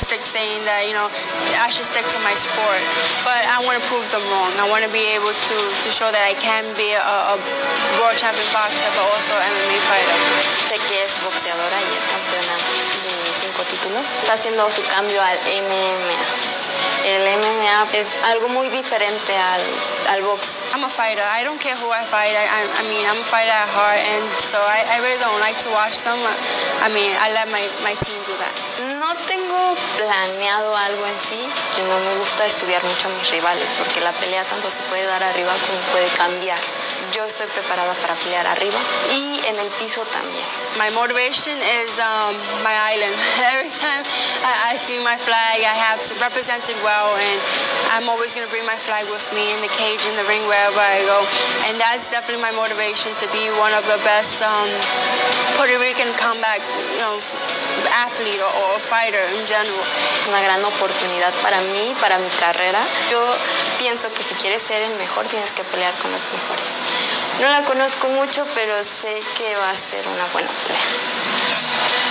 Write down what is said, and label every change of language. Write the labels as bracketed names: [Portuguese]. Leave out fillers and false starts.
[English] Saying that, you know, I should stick to my sport, but I want to prove them wrong. I want to be able to show that I can be a world champion boxer, but also MMA fighter. [Spanish] Sé que es boxeadora y es campeona de 5 títulos. Está haciendo su cambio al MMA. El MMA es algo muy diferente al box. [English] I'm a fighter. I don't care who I fight. I mean, I'm a fighter at heart, and so I really don't like to watch them. I mean, I let my team do that. [Spanish] No tengo planeado algo en sí. Yo no me gusta estudiar mucho a mis rivales, porque la pelea tanto se puede dar arriba como puede cambiar. Yo estoy preparada para pelear arriba y en el piso también. [English] My motivation is my island. Every time I see my flag, I have to represent it well, and I'm always going to bring my flag with me in the cage, in the ring, wherever I go. And that's definitely my motivation, to be one of the best Puerto Rican comeback, you know, athlete or fighter in general. [Spanish] Es una gran oportunidad para mí, para mi carrera. Yo pienso que si quieres ser el mejor, tienes que pelear con los mejores. No la conozco mucho, pero sé que va a ser una buena pelea.